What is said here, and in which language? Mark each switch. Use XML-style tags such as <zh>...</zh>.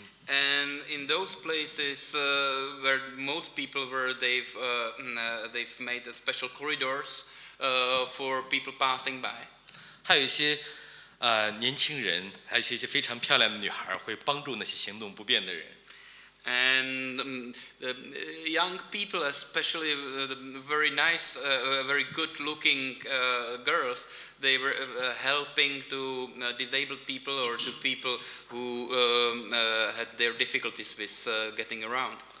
<en>And in those places where most people were they've made a special corridors for people passing by.</en> <zh>还有一些 年轻人还有一些非常漂亮的女孩会帮助那些行动不便的人</zh> <en>And young people, especially the very nice, very good looking girls, they were helping to disabled people or to people who had their difficulties with getting around.</en>